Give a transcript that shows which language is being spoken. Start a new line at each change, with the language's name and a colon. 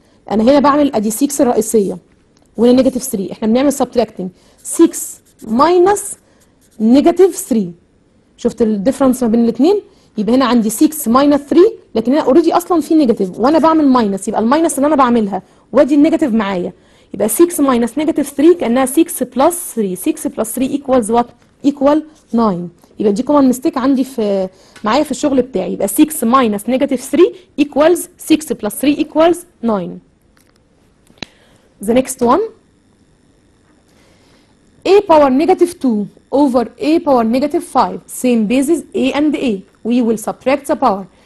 Arabic: انا هنا بعمل ادي 6 الرئيسيه، وهنا نيجاتيف 3، احنا بنعمل سبتراكتنج، 6 ماينس نيجاتيف 3. شفت الديفرنس ما بين الاثنين؟ يبقى هنا عندي 6 ماينس 3، لكن هنا اوريدي اصلا في نيجاتيف، وانا بعمل ماينس، يبقى الماينس اللي انا بعملها، وادي النيجاتيف معايا. يبقى
English: 6 minus negative 3
Arabic: كأنها
English: 6 plus 3. 6 plus 3 equals what? Equal 9.
Arabic: يبقى دي
English: common mistake
Arabic: عندي في معايا في الشغل بتاعي. يبقى
English: 6 minus negative 3 equals 6 plus 3 equals 9. The next one. A power negative 2 over A power negative 5. Same basis A and A. we will subtract the power.